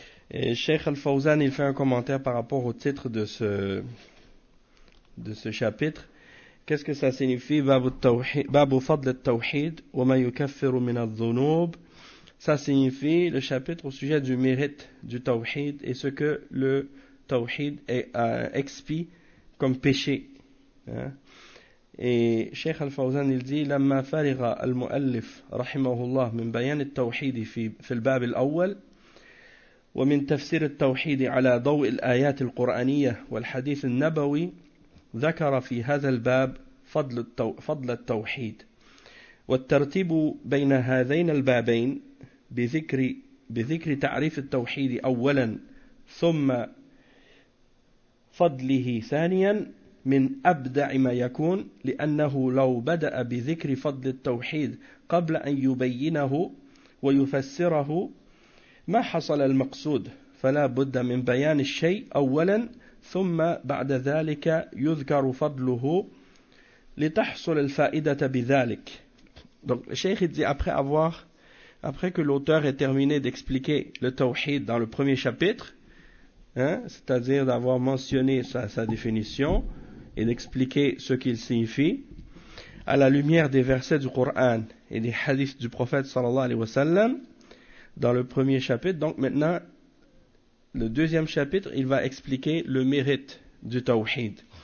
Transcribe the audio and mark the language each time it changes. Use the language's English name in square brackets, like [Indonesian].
[French] Et Sheikh al-Fawzan, il fait un commentaire par rapport au titre de ce chapitre. Qu'est-ce que ça signifie, [Arabic] Babu Fadl al-Tawhid wa ma yukaffiru min al-Dhunub? [French] Ça signifie le chapitre au sujet du mérite du tawhid et ce que le tawhid expie comme péché. Et Cheikh Al-Fawzan il dit: [Arabic] لما فارغ المؤلف رحمه الله من بيان التوحيد في الباب الأول ومن تفسير التوحيد على ضوء الآيات القرآنية والحديث النبوي ذكر في هذا الباب فضل التوحيد والترتيب بين هذين البابين بذكر تعريف التوحيد أولا ثم فضله ثانيا من أبدع ما يكون، لأنه لو بدأ بذكر فضل التوحيد قبل أن يبينه ويفسره ما حصل المقصود، فلا بد من بيان الشيء أولا ثم بعد ذلك يذكر فضله لتحصل الفائدة بذلك. [French] Donc Cheikh dit, après que l'auteur ait terminé d'expliquer le tawhid dans le premier chapitre, c'est-à-dire d'avoir mentionné sa définition et d'expliquer ce qu'il signifie, à la lumière des versets du Coran et des hadiths du prophète sallallahu alayhi wa sallam, dans le premier chapitre, donc maintenant, le deuxième chapitre, il va expliquer le mérite du tawhid.